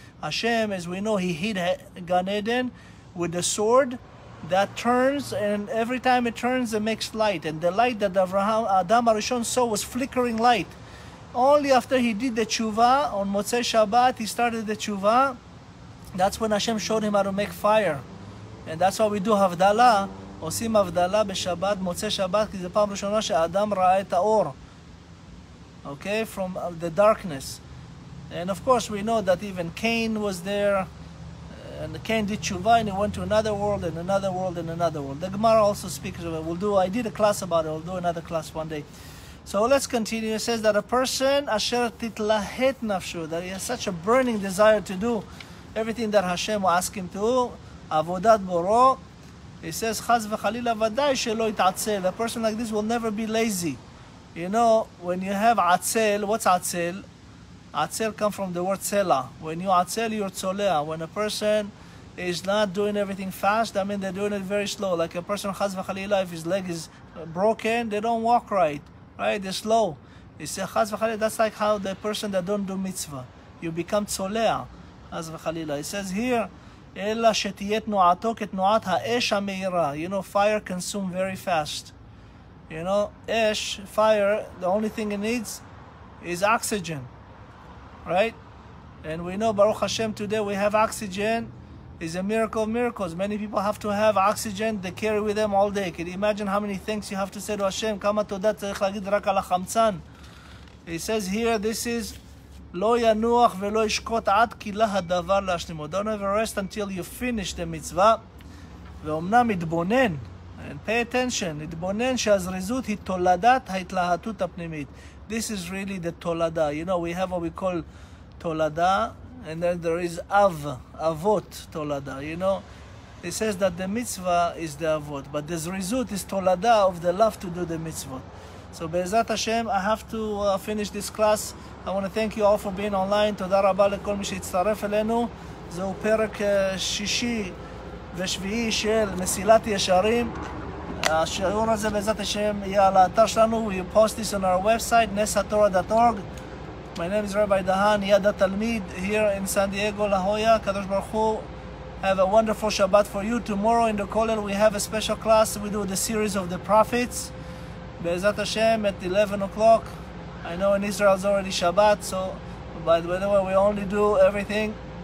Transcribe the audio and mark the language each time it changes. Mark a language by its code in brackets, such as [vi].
[en] Hashem, as we know, he hid Gan Eden with the sword that turns, and every time it turns, it makes light. And the light that Abraham, Adam HaRishon saw was flickering light. Only after he did the tshuva, on Motzei Shabbat, he started the tshuva. That's when Hashem showed him how to make fire. And that's why we do Havdalah. [he] עושים הבדלה בשבת, מוצא שבת, כי זה פעם ראשונה שהאדם ראה את האור. [en] Okay, from the darkness. And of course we know that even Cain was there, and Cain did תשובה, and he went to another world, and another world, and another world. The Gemara also speaks of it. I did a class about it, we'll do another class one day. So let's continue. It says that a person, [he] אשר תתלהט נפשו, [en] that he has such a burning desire to do everything that Hashem will ask him to, [he] עבודת בורו, [en] he says, [he] "Chaz v'chalila v'day shelo it'atzel." [en] A person like this will never be lazy. You know, when you have atzel, what's atzel? Atzel comes from the word tzela. When you atzel, you're tzolea. When a person is not doing everything fast, I mean, they're doing it very slow. Like a person, chaz v'chalila, if his leg is broken, they don't walk right. Right? They're slow. He says, "Chaz v'chalila." That's like how the person that don't do mitzvah, you become tzolea. Chaz v'chalila. He says here. [he] אלא שתהיה תנועתו כתנועת האש המהירה. [en] You know, fire consumes very fast. You know, אש, fire, the only thing it needs is oxygen. Right? And we know, Baruch Hashem, today we have oxygen. It's a miracle of miracles. Many people have to have oxygen, they carry with them all day. Can you imagine how many things you have to say to Hashem? [he] כמה תודה צריך להגיד רק על החמצן? [en] He says here, this is... [he] לא ינוח ולא ישקוט עד כי לה הדבר להשלימו. [en] Don't ever rest until you finish the mitzvah. [he] ואומנם התבונן, [en] and pay attention, [he] התבונן שהזריזות היא תולדת ההתלהטות הפנימית. [en] This is really the תולדה. You know, we have what we call תולדה, and then there is av, avot תולדה. You know, it says that the mitzvah is the avot, but the זריזות is תולדה of the love to do the mitzvot. So [he] בעזרת השם, [en] I have to finish this class. I want to thank you all for being online. [he] תודה רבה לכל מי שהצטרף אלינו. זהו פרק שישי ושביעי של מסילת ישרים. השיעור הזה בעזרת השם יהיה על האתר שלנו. [en] We post this on our website, nesatora.org. My name is Rabbi Dahan, יד התלמיד, here in San Diego, La Jolla. [he] קדוש ברוך הוא, [en] have a wonderful Shabbat for you. Tomorrow in the Kollel we have a special class. We do the series of the prophets. [he] בעזרת השם, [en] at 11 o'clock, I know in Israel is already Shabbat, so by the way, we only do everything.